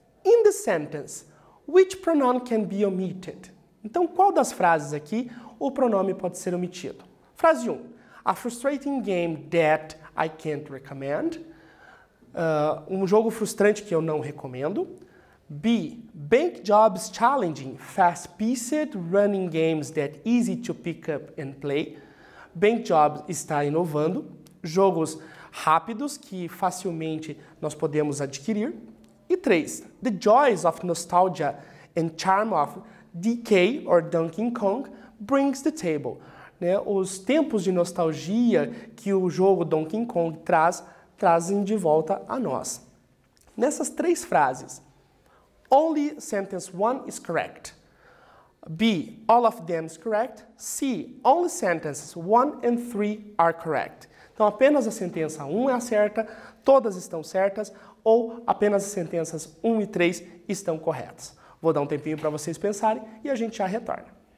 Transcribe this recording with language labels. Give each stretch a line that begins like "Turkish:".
English: In the sentence, which pronoun can be omitted?
Portuguese: Então, qual das frases aqui o pronome pode ser omitido?
English: Frase 1. A frustrating game that I can't recommend.
Portuguese: Um jogo frustrante que eu não recomendo. B.
English: Bank jobs challenging, fast-paced running games that easy to pick up and play.
Portuguese: Bank jobs está inovando. Jogos rápidos que facilmente nós podemos adquirir. E 3.
English: The joys of nostalgia and charm of DK or Donkey Kong brings the table. Né?
Portuguese: Os tempos de nostalgia que o jogo Donkey Kong traz, trazem de volta a nós. Nessas três frases,
English: only sentence one is correct. B, all of them is correct. C, only sentences one and three are correct.
Portuguese: Então, apenas a sentença 1 é a certa, todas estão certas, ou apenas as sentenças 1 e 3 estão corretas. Vou dar um tempinho para vocês pensarem e a gente já retorna.